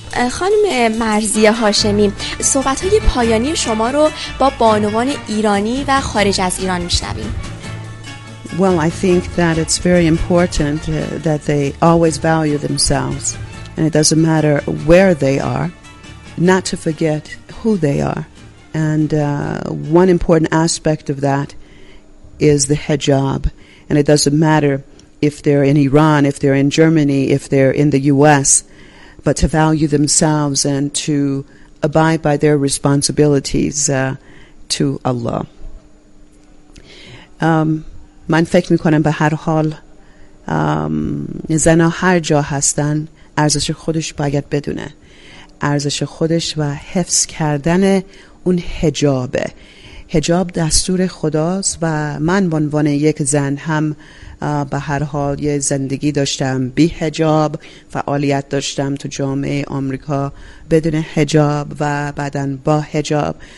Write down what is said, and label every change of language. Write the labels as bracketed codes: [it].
[fa] خانم مرضیه هاشمی، صحبت‌های پایانی شما رو با بانوان ایرانی و خارج از ایران می‌شنویم. [en] Well, I think that it's very important that they always value themselves, and it doesn't matter where they are, not to forget who they are. And one important aspect of that is the hijab, and it doesn't matter if they're in Iran, if they're in Germany, if they're in the US, but to value themselves and to abide by their responsibilities to Allah. [fa] من فکر میکنم به هر حال زنها هر جا هستن ارزش خودش باید بدونه، ارزش خودش و حفظ کردن اون حجابه. حجاب دستور خداست و من به عنوان یک زن هم به هر حال یه زندگی داشتم بی حجاب، فعالیت داشتم تو جامعه آمریکا بدون حجاب و بعدن با حجاب.